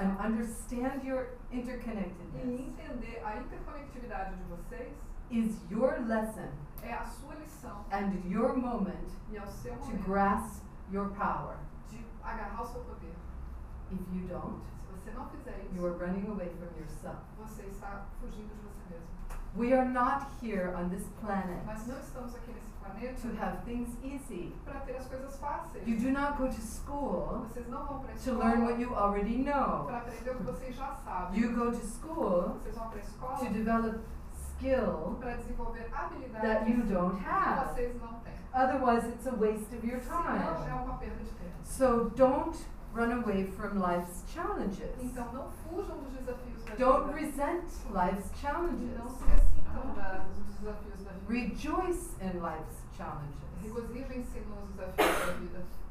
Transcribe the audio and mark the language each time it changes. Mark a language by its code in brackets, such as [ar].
[en] and understand your interconnectedness, [pt] e entender a interconectividade de vocês, [en] is your lesson, [pt] é a sua lição, [en] and your moment, [pt] e é o seu momento, [en] to grasp your power, [pt] de agarrar o seu poder. [en] If you don't, [pt] se você não fizer isso, [en] you are running away from yourself. [pt] Você está fugindo de você mesmo. [en] We are not here on this planet. [pt] Mas não estamos aqui nesse [en] to have things easy. [pt] Para ter as coisas fáceis. [en] You do not go to school. [pt] Vocês não vão para a escola [en] to learn what you already know. [pt] Para aprender o que vocês já sabem. [en] You go to school. [pt] Vocês vão para a escola [en] to develop skill. [pt] Para desenvolver habilidades [en] that you don't have. [pt] Que vocês não têm. [en] Otherwise, it's a waste of your time. [pt] Senão, é uma perda de tempo. [en] So don't run away from life's challenges. [pt] Então, não fujam dos desafios da vida. [en] Don't resent life's challenges. [pt] Não se ressintam dos desafios da vida. [en] Rejoice in life's challenges. [pt] Regozijem-se nos desafios da vida.